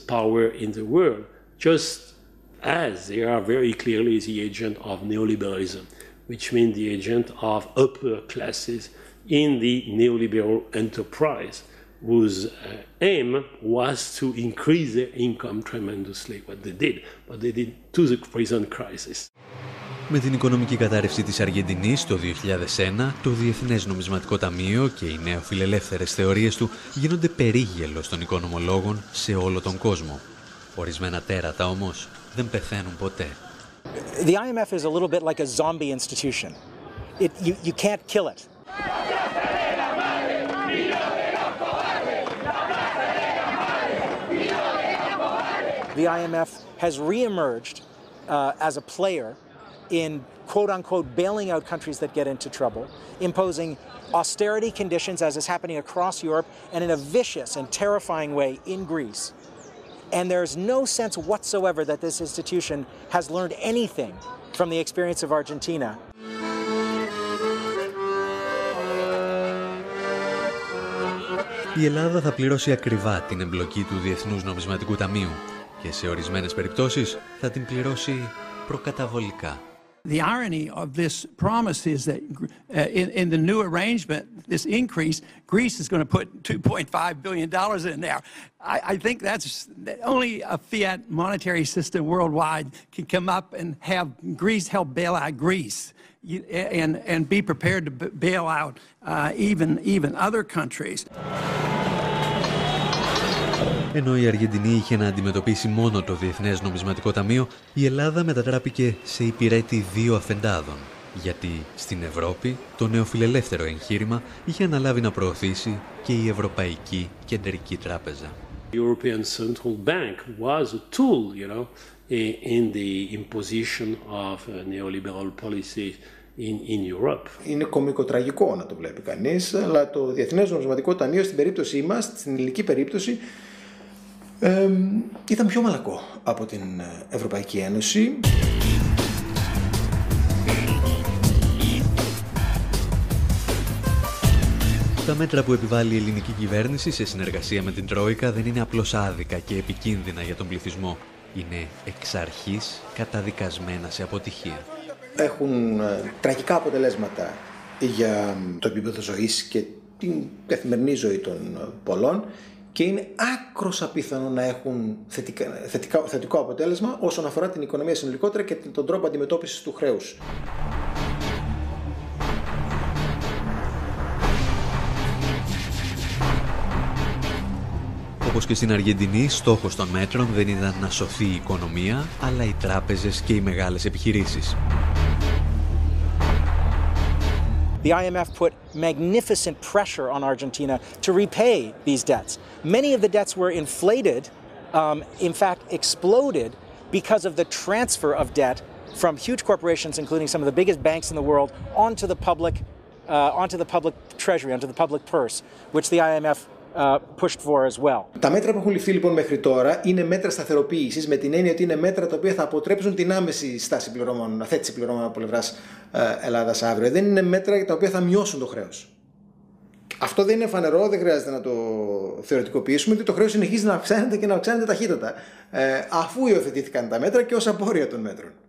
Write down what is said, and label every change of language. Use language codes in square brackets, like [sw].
[en] power in the world, just as they are very clearly the agent of neoliberalism, which means the agent of upper classes in the neoliberal enterprise, whose aim was to increase their income tremendously. What they did to the present crisis. [el] Με την οικονομική κατάρρευση της Αργεντινής το 2001, το Διεθνές Νομισματικό Ταμείο και οι νεοφιλελεύθερες θεωρίες του γίνονται περίγελος των οικονομολόγων σε όλο τον κόσμο. Ορισμένα τέρατα όμως δεν πεθαίνουν ποτέ. [en] The IMF is a little bit like a zombie institution. You can't kill it. The IMF has re-emerged as a player in quote-unquote bailing out countries that get into trouble, imposing austerity conditions as is happening across Europe and in a vicious and terrifying way in Greece. And there's no sense whatsoever that this institution has learned anything from the experience of Argentina. [el] Η Ελλάδα θα πληρώσει ακριβά την εμπλοκή του Διεθνούς Νομισματικού Ταμείου και σε ορισμένες περιπτώσεις θα την πληρώσει προκαταβολικά. [en] The irony of this promise is that in the new arrangement, this increase, Greece is going to put $2.5 billion in there. I think that's only a fiat monetary system worldwide can come up and have Greece help bail out Greece and be prepared to bail out even other countries. [el] Ενώ η Αργεντινή είχε να αντιμετωπίσει μόνο το Διεθνές Νομισματικό Ταμείο, η Ελλάδα μετατράπηκε σε υπηρέτη δύο αφεντάδων. Γιατί στην Ευρώπη το νεοφιλελεύθερο εγχείρημα είχε αναλάβει να προωθήσει και η Ευρωπαϊκή Κεντρική Τράπεζα. [en] The European Central Bank was a tool, you know, in the imposition of neoliberal policies in Europe. [el] Είναι κωμικοτραγικό να το βλέπει κανείς, αλλά το Διεθνές Νομισματικό Ταμείο στην περίπτωσή μας, στην ελληνική περίπτωση, ήταν πιο μαλακό από την Ευρωπαϊκή Ένωση. Τα μέτρα που επιβάλλει η ελληνική κυβέρνηση σε συνεργασία με την Τρόικα δεν είναι απλώς άδικα και επικίνδυνα για τον πληθυσμό. Είναι εξ αρχής καταδικασμένα σε αποτυχία. Έχουν τραγικά αποτελέσματα για το επίπεδο ζωής και την καθημερινή ζωή των πολλών. Και είναι άκρος απίθανο να έχουν θετικό αποτέλεσμα όσον αφορά την οικονομία συνολικότερα και τον τρόπο αντιμετώπισης του χρέους. Όπως και στην Αργεντινή, στόχος των μέτρων δεν ήταν να σωθεί η οικονομία, αλλά οι τράπεζες και οι μεγάλες επιχειρήσεις. [en] The IMF put magnificent pressure on Argentina to repay these debts. Many of the debts were inflated, in fact exploded, because of the transfer of debt from huge corporations, including some of the biggest banks in the world, onto the public treasury, onto the public purse, which the IMF pushed for as well. [el] Τα μέτρα που έχουν ληφθεί λοιπόν μέχρι τώρα είναι μέτρα σταθεροποίησης, με την έννοια ότι είναι μέτρα τα οποία θα αποτρέψουν την άμεση στάση πληρωμών, θέτηση πληρωμών από πλευράς Ελλάδας αύριο. Δεν είναι μέτρα τα οποία θα μειώσουν το χρέος. Αυτό δεν είναι φανερό, δεν χρειάζεται να το θεωρητικοποιήσουμε, ότι το χρέος συνεχίζει να αυξάνεται και να αυξάνεται ταχύτατα, αφού υιοθετήθηκαν τα μέτρα και ως απόρρια των μέτρων.